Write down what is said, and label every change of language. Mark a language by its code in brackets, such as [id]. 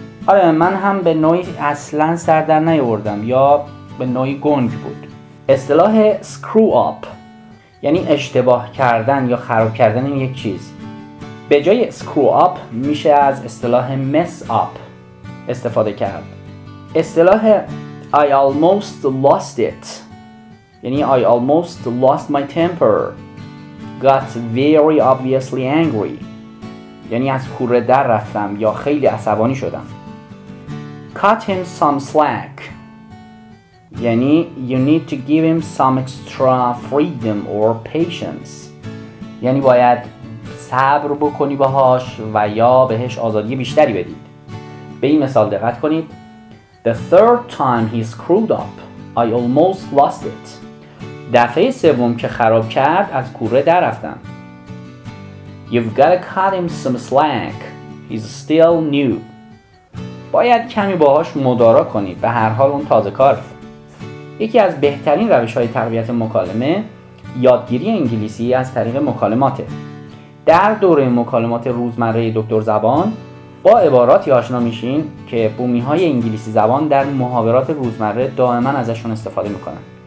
[fa] آره، من هم به نوعی اصلا سر در نیاوردم یا به نوعی گنگ بود. اصطلاح screw up یعنی اشتباه کردن یا خراب کردن یک چیز. به جای screw up میشه از اصطلاح mess up استفاده کرد. [en] اصطلاح I almost lost it یعنی I almost lost my temper، got very obviously angry [fa] یعنی از کوره در رفتم یا خیلی عصبانی شدم. [en] Cut him some slack یعنی you need to give him some extra freedom or patience، [fa] یعنی باید صبر بکنی باهاش و یا بهش آزادی بیشتری بدید. به این مثال دقت کنید. [en] The third time he screwed up I almost lost it، [fa] دفعه سوم که خراب کرد از کوره در رفتم. [en] You've got to cut him some slack. He's still new. [fa] باید کمی باهاش مدارا کنی، به هر حال اون تازه کار. یکی از بهترین روش‌های تربیت مکالمه یادگیری انگلیسی از طریق مکالماته. در دوره مکالمات روزمره دکتر زبان با عباراتی آشنا میشین که بومی‌های انگلیسی زبان در محاورات روزمره دائما ازشون استفاده میکنن.